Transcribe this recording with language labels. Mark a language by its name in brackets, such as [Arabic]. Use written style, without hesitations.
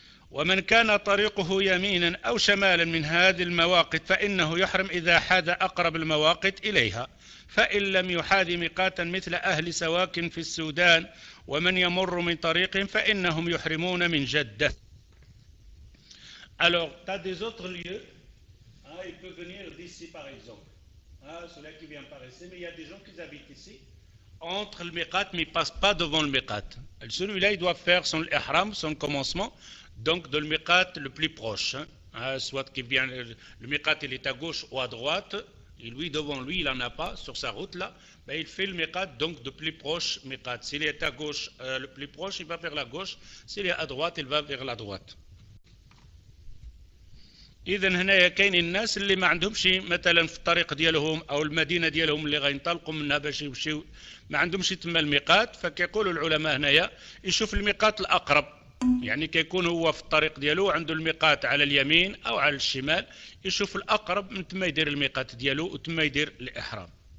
[Arabic] ومن كان طريقه يمينا أو شمالا من هذه المواقيت فإنه يحرم إذا حاد أقرب المواقيت إليها، فإن لم يحاذ ميقاتا مثل أهل سواكن في السودان ومن يمر من طريقهم فإنهم يحرمون من جدة. [French] Alors, t'as des autres lieux, hein, il peut venir d'ici par exemple. Ah, celui-là qui vient par ici, mais il y a des gens qui habitent ici. Entre le miqat, mais ils ne passent pas devant le miqat. Celui-là, il doit faire son ihram, son commencement, donc de le miqat le plus proche. Hein, soit qui vient, le miqat, il est à gauche ou à droite. Et lui, devant lui, il n'en a pas sur sa route là, ben, il fait le miqat, donc de plus proche miqat. S'il est à gauche, le plus proche, il va vers la gauche. S'il est à droite, il va vers la droite. [Arabic] إذن هنايا كاين الناس اللي ما عندهمش مثلا في الطريق ديالهم او المدينه ديالهم اللي غينطلقوا منها باش يمشيو ما عندهمش تما الميقات، فكيقولوا العلماء هنايا يشوف الميقات الاقرب، يعني كيكون هو في الطريق ديالو عنده الميقات على اليمين او على الشمال، يشوف الاقرب من تما يدير الميقات ديالو وتما يدير الاحرام.